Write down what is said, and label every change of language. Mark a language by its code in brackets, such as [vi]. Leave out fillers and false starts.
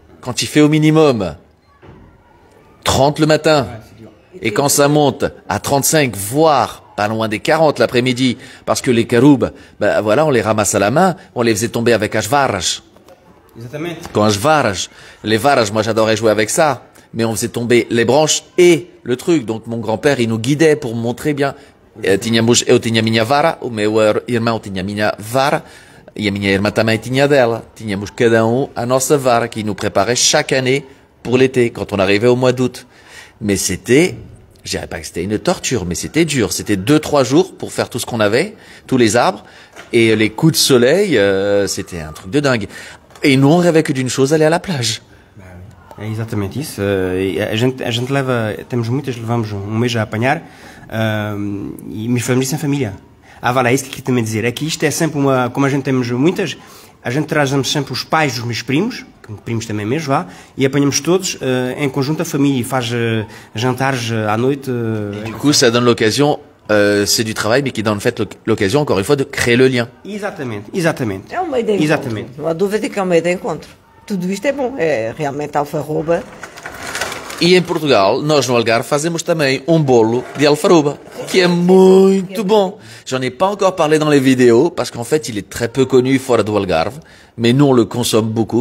[fr] Quand il fait au minimum 30 le matin, et quand ça monte à 35, voire pas loin des 40 l'après-midi, parce que les caroubes, ben voilà, on les ramasse à la main, on les faisait tomber avec ashvaraj. Exactement. Quand ashvaraj, les varaj, moi j'adorais jouer avec ça, mais on faisait tomber les branches et le truc. Donc mon grand-père, il nous guidait pour montrer bien. [pt] Tinhamos eu tinha minha vara, o meu irmão tinha minha vara. E a minha irmã também tinha dela. Tínhamos cada um a nossa vara que nos [fr] preparait chaque année pour l'été, quand on arrivait au mois d'août. Mais c'était, je dirais pas que c'était une torture, mais c'était dur. C'était 2-3 jours pour faire tout ce qu'on avait, tous les arbres. Et les coups de soleil, c'était un truc de dingue. Et nous, on rêvait que d'une chose, aller à la plage. [pt] É exatamente isso. A gente leva, temos muitas, levamos um mês a apanhar. Mas fazemos isso em família. Ah, voilà, isso que eu queria também dizer. É que isto é sempre uma. Como a gente temos muitas, a gente traz sempre os pais dos meus primos, primos também mesmo, vá, e apanhamos todos em conjunto a família e faz jantares à noite. [fr] E, du coup, ça donne l'occasion, c'est du travail, mais qui donne en fait l'occasion, encore une fois, de créer le lien. [pt] Exatamente, exatamente. É um meio de encontro. Exatamente. Não há dúvida que é um meio de encontro. Tudo isto é bom, é realmente alfarroba. E em Portugal, nós no Algarve fazemos também um bolo de alfarroba, que é muito bom. [fr] J'en ai pas encore parlé dans les vidéos, parce qu'en fait, il est très peu connu [pt] fora do Algarve, [fr] mais nous, on le consomme beaucoup.